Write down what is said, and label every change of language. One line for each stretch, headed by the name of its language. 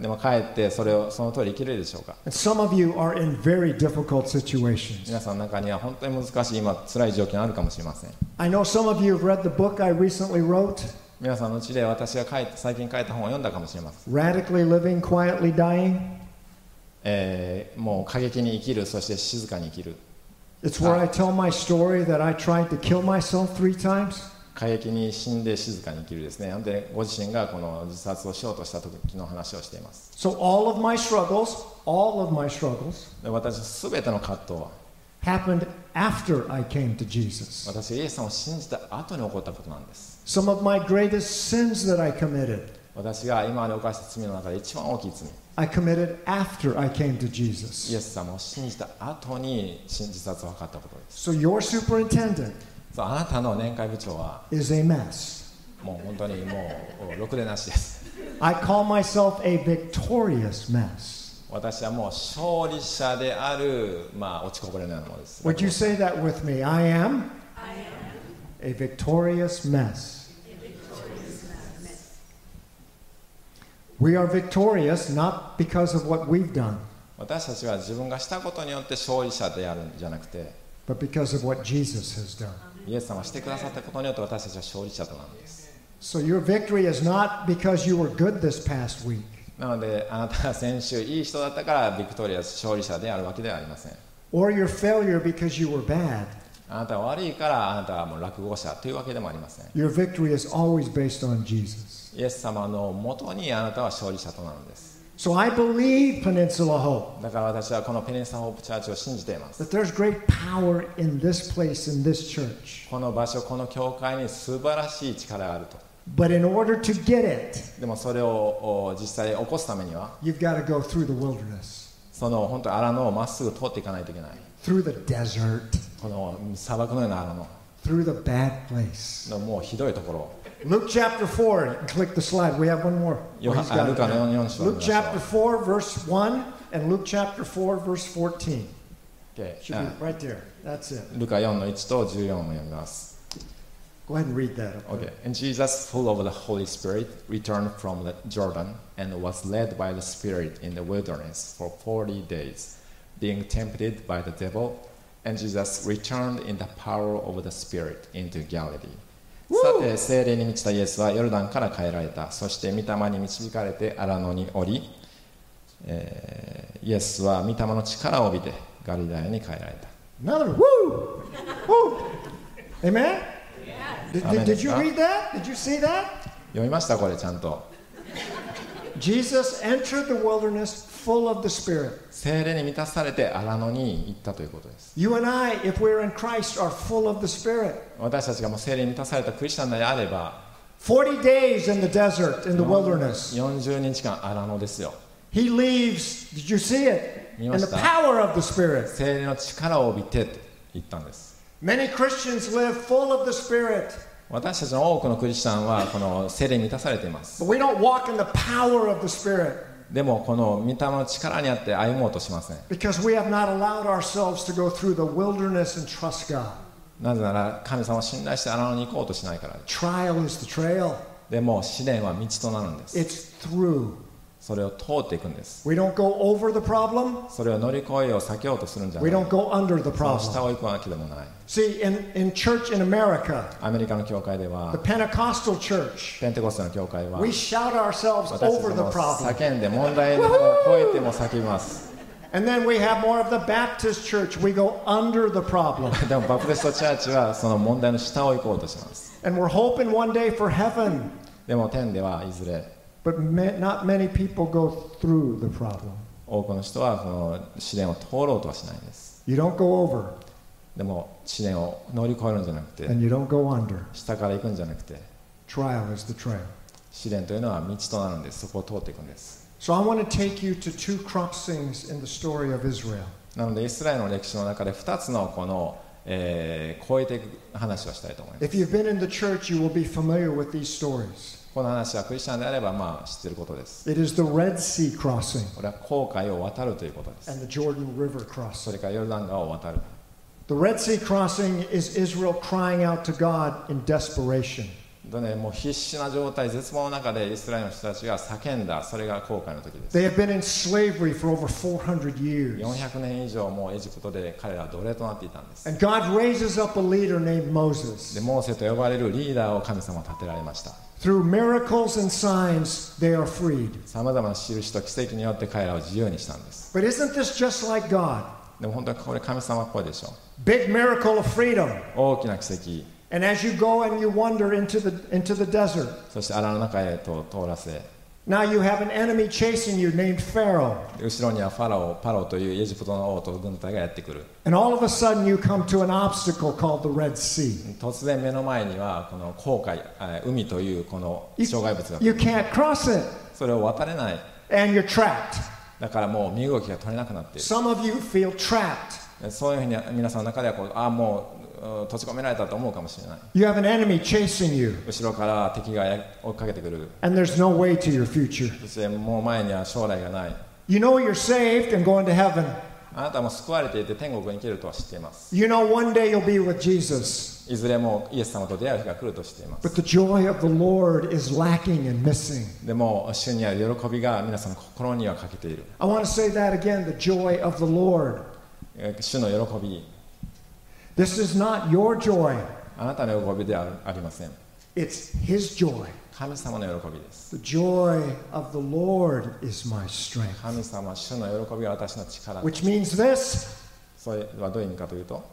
Japanese: でもかえってそれをその通り生きれるでしょうか。
English: And some of you are in very difficult situations.
Japanese: 皆さんの中には本当に難しい今辛い状況があるかもしれません。
English: I know some of you have read the book I recently wrote.
Japanese: 皆さんのうちで私が最近書いた本を読んだかもしれません。
English: Radically living, quietly dying.
Japanese: もう過激に生きる、そして静かに生きる。
English: It's where I tell my story that I tried to kill myself three times.
Japanese: 過激に死んで静かに生きるですね。なんでご自身がこの自殺をしようとした時の話をしています。
English: So all of my struggles, all of my struggles.
Japanese: 私のすべての葛藤は
English: happened after I came to Jesus.
Japanese: 私がイエス様を信じた後に起こったことなんです。
English: Some of my greatest sins that I committed.
Japanese: 私が今まで犯した罪の中で一番大きい罪。
English: I committed after I came to Jesus.
Japanese: イエス様を信じた後に自殺を図ったことです。
English: So your superintendent
Japanese: そう、あなたの年会部長は
English: is a mess.
Japanese: もう本当にもうろくでなしです。
English: I call myself a victorious mess.
Japanese: 私はもう勝利者である、まあ、落ちこぼれのようなものです。
English: Would you say that with me? I am a victorious mess. We are victorious not because of what we've done.
Japanese: 私たちは自分がしたことによって勝利者であるんじゃなくて、
English: but because of what Jesus has done.
Japanese: イエス様がしてくださったことによって私たちは勝利者となるんです。
English: So your victory is not because you were good this past week.
Japanese: なのであなたが先週いい人だったからビクトリアス勝利者であるわけではありません。
English: Or your failure because you were bad.
Japanese: あなたは悪いからあなたはもう落伍者というわけでもありません。
English: Your victory is always based on Jesus.
Japanese: イエス様のもとにあなたは勝利者となるんです。
English: So、I believe Peninsula Hope.
Japanese: だから私はこのペニンスラホープチャーチを信じています。
English: That there's great power in this place, in this church.
Japanese: この場所、この教会に素晴らしい力があると。
English: But in order to get it,
Japanese: でもそれを実際起こすためには、
English: you've got to go through the wilderness.
Japanese: その本当に荒野をまっすぐ通っていかないといけない。
English: Through the desert.
Japanese: この砂漠のような荒野。
English: Through the bad place.
Japanese: のもうひどいところ。
English: Luke chapter 4, click the slide. We have one more. Luke chapter 4, verse 1, and Luke chapter 4, verse 14. Okay. Should be right there. That's it. Luke 4, 1 to 14,
Japanese: を読みます。
English: Go ahead and read that. Okay. And Jesus, full of the Holy Spirit, returned from the Jordan and was led by the Spirit in the wilderness for 40 days, being tempted by the devil. And Jesus returned in the power of the Spirit into Galilee.
Japanese: さて聖霊に満ちたイエスはヨルダンから帰られた。そして御霊に導かれて荒野におり、イエスは御霊の力を帯びてガリラヤに帰られた。
English: Another woo, woo, amen. Did you read that? Did you see that?
Japanese: 読みましたこれちゃんと。
English: Jesus entered the wilderness full of the Spirit.
Japanese: 聖霊に満たされて荒野に行ったということです。
English: You and I, if we're in Christ, are full of the Spirit.
Japanese: 私たちがもう聖霊に満たされたクリスチャンであれば、
English: 40 days in the desert, in the wilderness.
Japanese: 40日間荒野ですよ。
English: He leaves. Did you see it?
Japanese: 見ました。
English: And the power of the Spirit.
Japanese: 聖霊の力を帯びてと言ったんです。
English: Many Christians live full of the Spirit.
Japanese: 私たちの多くのクリスチャンはこの聖霊に満たされています。
English: But we don't walk in the power of the Spirit.
Japanese: でもこの御霊の力にあって歩もうとしません。
English: Because we have not allowed ourselves to go through the wilderness and trust God.
Japanese: なぜなら神様を信頼して荒野に行こうとしないからです。
English: Trial is the trail.
Japanese: でも試練は道となるんです。
English: It's through.
Japanese: それを通っていくんです。
English: We don't go over the problem.
Japanese: それを乗り越えよう、避けようとするんじゃない。
English: We don't go under the problem.
Japanese: その下を行くわけでもない。
English: See, in church in America,
Japanese: アメリカの教会では、
English: the Pentecostal church,
Japanese: ペンテコステの教会は、
English: we shout ourselves over the problem.
Japanese: 私たちも叫んで問題を超えても叫びます。
English: And then we have more of the Baptist church. We go under the problem.
Japanese: でもバプテストチャーチはその問題の下を行こうとします。
English: And we're hoping one day for heaven.
Japanese: でも天ではいずれ。
English: But not many people go through the problem.
Japanese: 多くの人はその試練を通ろうとはしないんです。
English: You don't go over.
Japanese: でも試練を乗り越えるんじゃなくて、
English: and you don't go under.
Japanese: 下から行くんじゃなくて、
English: trial is the trail.
Japanese: 試練というのは道となるんです。そこを通っていくんです。
English: So I want to take you to two crossings in the story of Israel.
Japanese: なのでイスラエルの歴史の中で2つのこの越えていく話をしたいと思います。
English: If you've been in the church, you will be familiar with these stories.
Japanese: この話はクリスチャンであればまあ知っていることです。
English: It is the Red Sea crossing.
Japanese: これは紅海を渡るということです。
English: And the Jordan River crossing.
Japanese: それからヨルダン川を渡る。
English: The Red Sea crossing is Israel crying out to God in desperation.
Japanese: もう必死な状態、絶望の中でイスラエルの人たちが叫んだ、それが後悔の時です。
English: They have been in slavery for over 400 years.
Japanese: 400年以上もうエジプトで彼らは奴隷となっていたんです。
English: And God raises up a leader named Moses.
Japanese: で、モーセと呼ばれるリーダーを神様は立てられました。
English: Through miracles and signs, they are freed.
Japanese: さまざまな印と奇跡によって彼らを自由にしたんです。
English: But isn't this just like God?
Japanese: でも本当はこれ神様っぽいでしょう。
English: Big miracle of freedom.
Japanese: 大きな奇跡。
English: And as you go and you wander into the desert,
Japanese: そして荒の中へと通らせ。
English: Now you have an enemy chasing you named Pharaoh.
Japanese: 後ろにはファラオ、パロというエジプトの王と軍隊がやってくる。
English: And all of a sudden you come to an obstacle called the Red Sea.
Japanese: 突然目の前にはこの紅海、海というこの障害物が。
English: You can't cross it.
Japanese: それを渡れない。
English: And you're trapped.
Japanese: だからもう身動きが取れなくなっている。
English: Some of you feel trapped.
Japanese: そういうふうに皆さんの中ではこう、ああもう閉じ込められたと思うかもしれない。
English: You have an enemy chasing you.
Japanese: 後ろから敵が追っかけてくる。
English: And there's no way to your future.
Japanese: そしてもう前には将来がない。
English: You know you're saved and going to heaven.
Japanese: あなたも救われていて天国に行けるとは知っています。
English: You know one day you'll be with Jesus.
Japanese: いずれもイエス様と出会う日が来ると知っています。
English: But the joy of the Lord is lacking and missing.
Japanese: でも主にある喜びが皆さんの心には欠けている。
English: I want to say that again, the joy of the Lord.
Japanese: 主の喜び。
English: This is not your joy.
Japanese: あなたの喜びではありません。
English: It's His joy.
Japanese: 神様の喜びです。
English: The joy of the Lord is my strength.
Japanese: 神様、主の喜びは私の力です。
English: Which means this.
Japanese: それはどういう意味かというと、